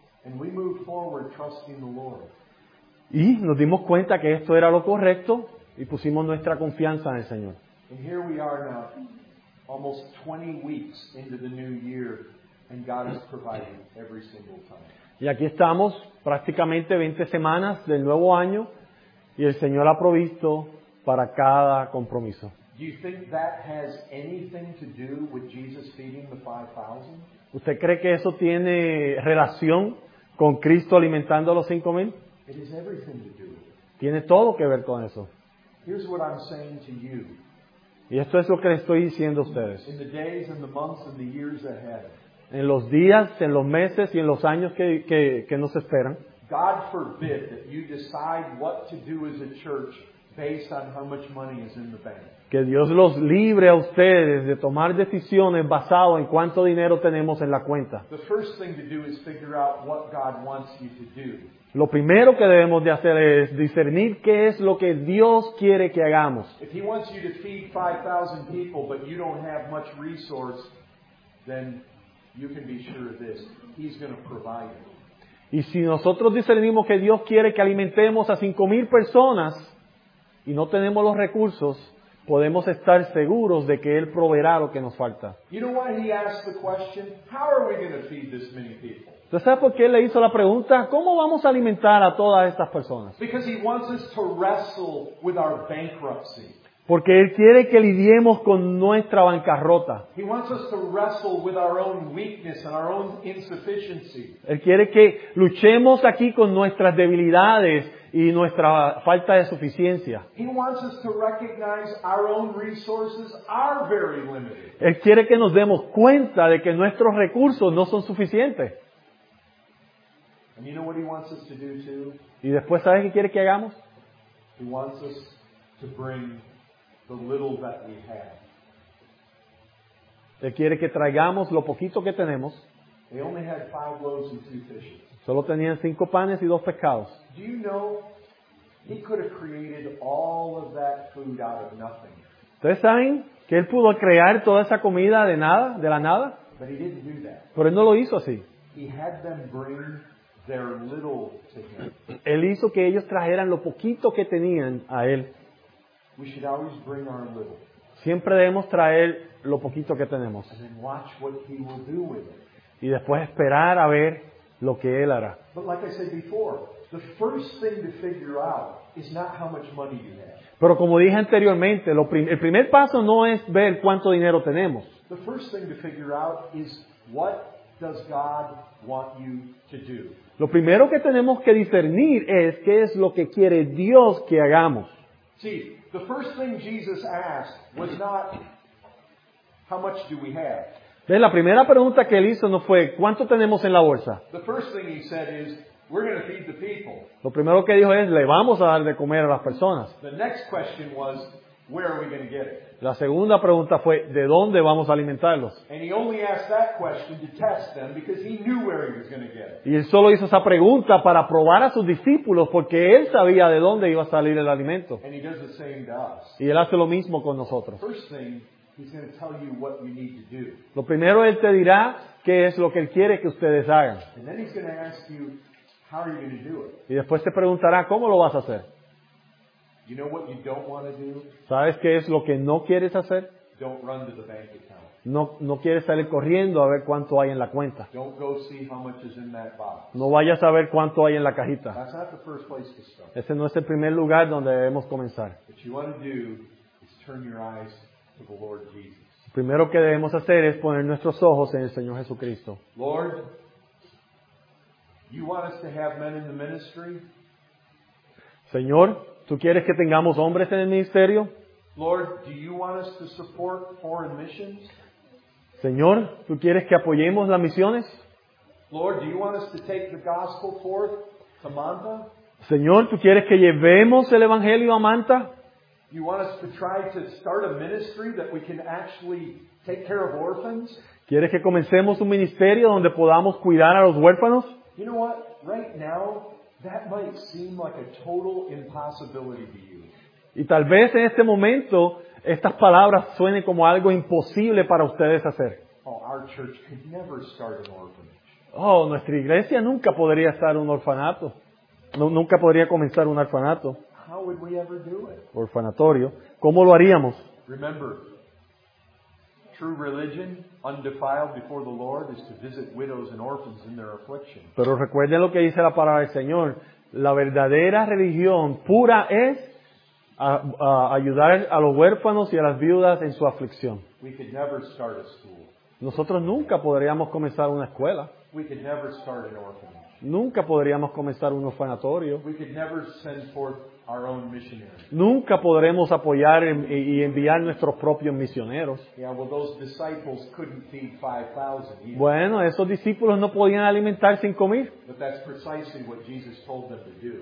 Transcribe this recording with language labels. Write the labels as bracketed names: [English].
[English] And we moved forward trusting the Lord. [Spanish] Y nos dimos cuenta que esto era lo correcto y pusimos nuestra confianza en el Señor. [English] And here we are now, almost 20 weeks into the new year, and God is providing every single time. [Spanish] Y aquí estamos prácticamente 20 semanas del nuevo año y el Señor ha provisto para cada compromiso. [English] Do you think that has anything to do with Jesus feeding the 5,000? [Spanish] ¿Usted cree que eso tiene relación con Cristo alimentando a los 5,000? [English] It has everything to do. [Spanish] Tiene todo que ver con eso. [English] Here's what I'm saying to you. [Spanish] Y esto es lo que les estoy diciendo a ustedes. [English] In the days and the months and the years ahead. [Spanish] En los días, en los meses y en los años que nos esperan. [English] God forbid that you decide what to do as a church based on how much money is in the bank. [Spanish] Que Dios los libre a ustedes de tomar decisiones basado en cuánto dinero tenemos en la cuenta. [English] The first thing to do is figure out what God wants you to do. [Spanish] Lo primero que debemos de hacer es discernir qué es lo que Dios quiere que hagamos. [English] If he wants you to feed 5,000 people but you don't have much resource, then you can be sure of this, he's going to provide it. [Spanish] Y si nosotros discernimos que Dios quiere que alimentemos a 5,000 personas y no tenemos los recursos, podemos estar seguros de que Él proveerá lo que nos falta. [English] You know why he asked the question, how are we going to feed this many people? [Spanish] ¿Usted sabe por qué él le hizo la pregunta? ¿Cómo vamos a alimentar a todas estas personas? [English] Because he wants us to wrestle with our bankruptcy. [Spanish] Porque él quiere que lidiemos con nuestra bancarrota. [English] He wants us to wrestle with our own weakness and our own insufficiency. [Spanish] Él quiere que luchemos aquí con nuestras debilidades y nuestra falta de suficiencia. [English] He wants us to recognize our own resources are very limited. [Spanish] Él quiere que nos demos cuenta de que nuestros recursos no son suficientes. [English] And you know what he wants us to do too? [Spanish] ¿Y después sabes qué quiere que hagamos? [English] He wants us to bring the little that we have. [Spanish] Él quiere que traigamos lo poquito que tenemos. [English] They only had 5 loaves and 2 fishes. [Spanish] Solo tenían 5 panes y 2 pescados. [English] Do you know he could have created all of that food out of nothing? [Spanish] ¿Ustedes saben que él pudo crear toda esa comida de nada, de la nada? [English] But he didn't do that. [Spanish] Pero él no lo hizo así. [English] He had them bring their little to him. [Spanish] Él hizo que ellos trajeran lo poquito que tenían a Él. [English] We should always bring our little. [Spanish] Siempre debemos traer lo poquito que tenemos. [English] And then watch what he will do with it. [Spanish] Y después esperar a ver lo que Él hará. [English] But like I said before, the first thing to figure out is not how much money you have. [Spanish] Pero como dije anteriormente, el primer paso no es ver cuánto dinero tenemos. [English] The first thing to figure out is what does God want you to do. [Spanish] Lo primero que tenemos que discernir es qué es lo que quiere Dios que hagamos. [English] See, the first thing Jesus asked was not how much do we have. [Spanish] ¿Ves? La primera pregunta que él hizo no fue cuánto tenemos en la bolsa. [English] The first thing he said is we're going to feed the people. [Spanish] Lo primero que dijo es le vamos a dar de comer a las personas. [English] The next question was where are we going to get it? [Spanish] La segunda pregunta fue ¿de dónde vamos a alimentarlos? [English] And he only asked that question to test them because he knew where he was going to get it. [Spanish] Y él solo hizo esa pregunta para probar a sus discípulos porque él sabía de dónde iba a salir el alimento. [English] And he does the same to us. [Spanish] Y él hace lo mismo con nosotros. [English] First thing, he's going to tell you what you need to do. [Spanish] Lo primero él te dirá qué es lo que él quiere que ustedes hagan. [English] And then he's going to ask you how are you going to do it. [Spanish] Y después te preguntará cómo lo vas a hacer. [English] You know what you don't want to do? [Spanish] ¿Sabes qué es lo que no quieres hacer? [English] Don't run to the bank account. [Spanish] No quieres salir corriendo a ver cuánto hay en la cuenta. [English] Don't go see how much is in that box. [Spanish] No vayas a ver cuánto hay en la cajita. [English] That's not the first place to start. [Spanish] Ese no es el primer lugar donde debemos comenzar. [English] What you want to do is turn your eyes to the Lord Jesus. [Spanish] Lo primero que debemos hacer es poner nuestros ojos en el Señor Jesucristo. [English] Lord, you want us to have men in the ministry? [Spanish] Señor, ¿tú quieres que tengamos hombres en el ministerio? [English] Lord, do you want us to support foreign missions? [Spanish] Señor, ¿tú quieres que apoyemos las misiones? [English] Lord, do you want us to take the gospel forth to Manta? [Spanish] Señor, ¿tú quieres que llevemos el evangelio a Manta? [English] You want us to try to start a ministry that we can actually take care of orphans? [Spanish] ¿Quieres que comencemos un ministerio donde podamos cuidar a los huérfanos? [English] You know what? Right now, that might seem like a total impossibility to you. [Spanish] Y tal vez en este momento estas palabras suenen como algo imposible para ustedes hacer. [English] Oh, our church could never start an orphanage. [Spanish] Oh, nuestra iglesia nunca podría estar un orfanato. Nunca podría comenzar un orfanato. [English] How would we ever do it? [Spanish] Orfanatorio. ¿Cómo lo haríamos? [English] Remember, true religion, undefiled before the Lord, is to visit widows and orphans in their affliction. [Spanish] Pero recuerden lo que dice la palabra del Señor. La verdadera religión pura es a ayudar a los huérfanos y a las viudas en su aflicción. [English] We could never start a school. [Spanish] Nosotros nunca podríamos comenzar una escuela. [English] We could never start an orphanage. [Spanish] Nunca podríamos comenzar un orfanatorio. [English] We could never send forth our own missionaries. [Spanish] Nunca podremos apoyar y enviar nuestros propios misioneros. [English] Yeah, well, those disciples couldn't feed 5,000 either. [Spanish] Bueno, esos discípulos no podían alimentar 5,000. [English] But that's precisely what Jesus told them to do.